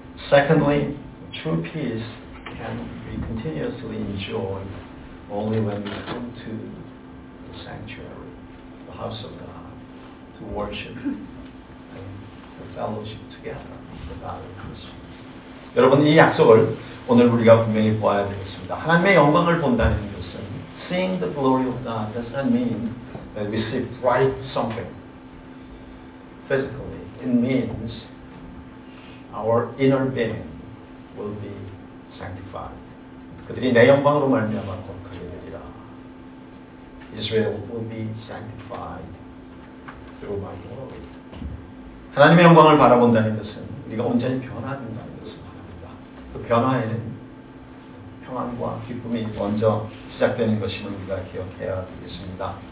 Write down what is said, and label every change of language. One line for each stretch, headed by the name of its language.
English: Secondly, true peace can be continuously enjoyed only when we come to the sanctuary, the house of God, to worship and to fellowship together with other Christians.
Korean: 여러분, 이 약속을 오늘 우리가 분명히 보아야 되겠습니다. 하나님의 영광을 본다는 것은
English: seeing the glory of God does not mean that we see bright something physically. It means our inner being will be sanctified.
Korean: 그들이 내 영광으로 말미암아 거룩하게 되리라.
English: Israel will be sanctified through my glory.
Korean: 하나님의 영광을 바라본다는 것은 우리가 온전히 변화된다는 것을 말합니다. 그 변화에는 평안과 기쁨이 먼저 시작되는 것임을 우리가 기억해야 되겠습니다.